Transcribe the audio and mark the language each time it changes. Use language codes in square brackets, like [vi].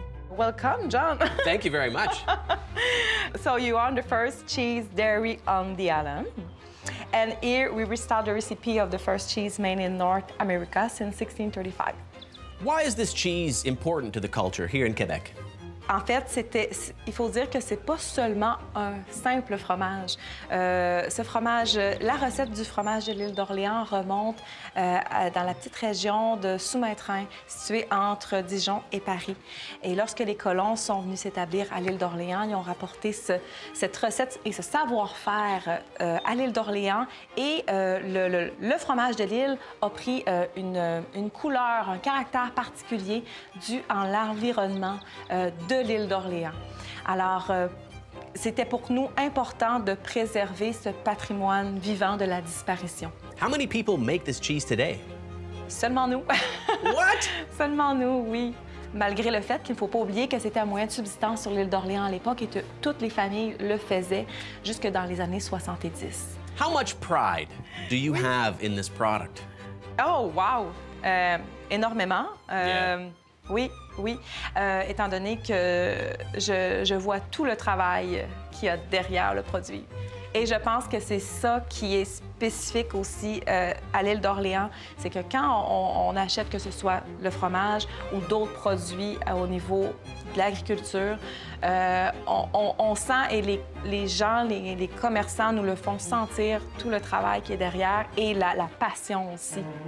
[en] Welcome, John. Thank you very much. So you are the first cheese dairy on the island. And here we restart the recipe of the first cheese made in North America since 1635. Why is this cheese important to the culture here in Quebec? [fr] En fait, il faut dire que c'est pas seulement un simple fromage. Ce fromage, la recette du fromage de l'île d'Orléans remonte dans la petite région de Sous-Maitrin, située entre Dijon et Paris. Et lorsque les colons sont venus s'établir à l'île d'Orléans, ils ont rapporté cette recette et ce savoir-faire à l'île d'Orléans. Et le fromage de l'île a pris une couleur, un caractère particulier dû à l'environnement de l'île d'Orléans. Alors, c'était pour nous important de préserver ce patrimoine vivant de la disparition. [en] How many people make this cheese today? [fr] Seulement nous. [en] What? [fr] Seulement nous, oui. Malgré le fait qu'il ne faut pas oublier que c'était un moyen de subsistance sur l'île d'Orléans à l'époque et que toutes les familles le faisaient jusque dans les années 70. [en] How much pride do you have in this product? Oh, wow! [fr] Énormément. [en] Yeah. [fr] Oui, oui. Étant donné que je vois tout le travail qu'il y a derrière le produit. Et je pense que c'est ça qui est spécifique aussi à l'île d'Orléans, c'est que quand on achète que ce soit le fromage ou d'autres produits au niveau de l'agriculture, on sent, et les gens, les commerçants nous le font sentir, tout le travail qui est derrière et la passion aussi.